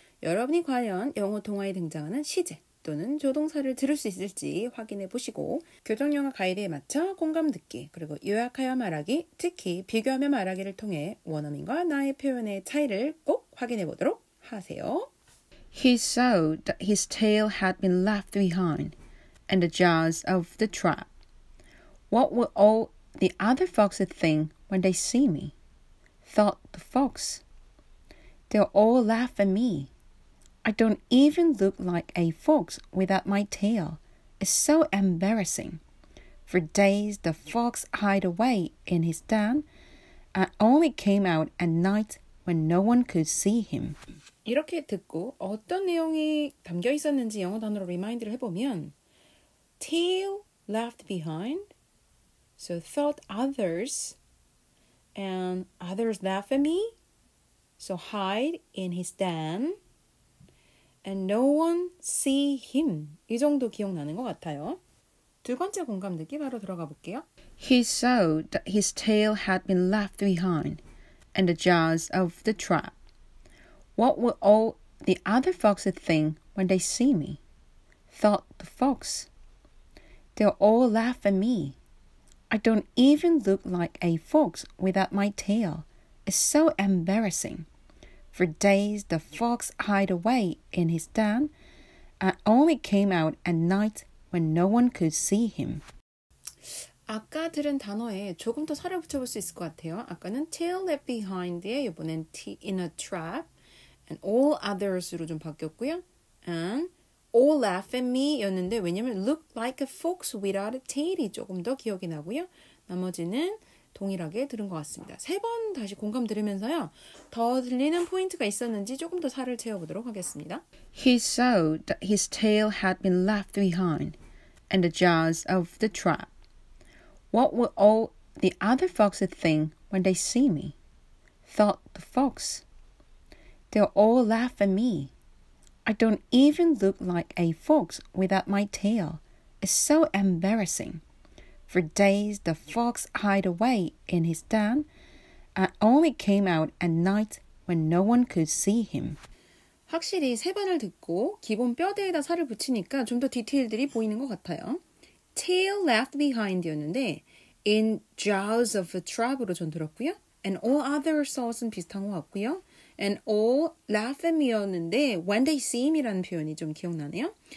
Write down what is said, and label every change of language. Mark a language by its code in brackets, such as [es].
[ko] 여러분이 과연 영어 동화에 등장하는 시제 또는 조동사를 들을 수 있을지 확인해 보시고 교정영어 가이드에 맞춰 공감 듣기 그리고 요약하여 말하기 특히 비교하며 말하기를 통해 원어민과 나의 표현의 차이를 꼭 확인해 보도록 하세요. [en] He saw that his tail had been left behind and the jaws of the trap. What would all the other foxes think when they see me? Thought the fox. They'll all laugh at me. I don't even look like a fox without my tail. It's so embarrassing. For days, the fox hid away in his den and only came out at night when no one could see him. [ko] 이렇게 듣고 어떤 내용이 담겨 있었는지 영어 단어로 리마인드를 해보면 [en] tail left behind. So thought others, and others laugh at me, so hide in his den, and no one see him. [ko] 이 정도 기억나는 것 같아요. 두 번째 공감 느낌 바로 들어가 볼게요. [en] He saw that his tail had been left behind, and the jaws of the trap. What would all the other foxes think when they see me? Thought the fox. They'll all laugh at me. I don't even look like a fox without my tail. It's so embarrassing. For days, the fox hid away in his den and only came out at night when no one could see him. [ko] 아까 들은 단어에 조금 더 살을 붙여볼 수 있을 것 같아요. 아까는 [en] tail left behind [ko] 에 이번엔 [en] in a trap and all others [ko] 로 좀 바뀌었고요. [en] And All laugh at me [ko] 였는데 왜냐면 [en] look like a fox without a tail이 [ko] 조금 더 기억이 나고요. 나머지는 동일하게 들은 것 같습니다. 세 번 다시 공감 들으면서요. 더 들리는 포인트가 있었는지 조금 더 살을 채워보도록 하겠습니다. [en] He saw that his tail had been left behind and the jaws of the trap. What would all the other foxes think when they see me? Thought the fox. They'll all laugh at me. I don't even look like a fox without my tail. It's so embarrassing. For days, the fox hid away in his den and only came out at night when no one could see him. [ko] 확실히 세 번을 듣고 기본 뼈대에다 살을 붙이니까 좀 더 디테일들이 보이는 것 같아요. [en] Tail left behind [ko] 였는데 [en] in jaws of a trap [ko] 으로 전 들었고요. [en] And all other sauce [ko] 는 비슷한 것 같고요. [en] And all laugh at me [ko] 였는데 [en] when they see me [ko] 라는 표현이 좀 기억나네요.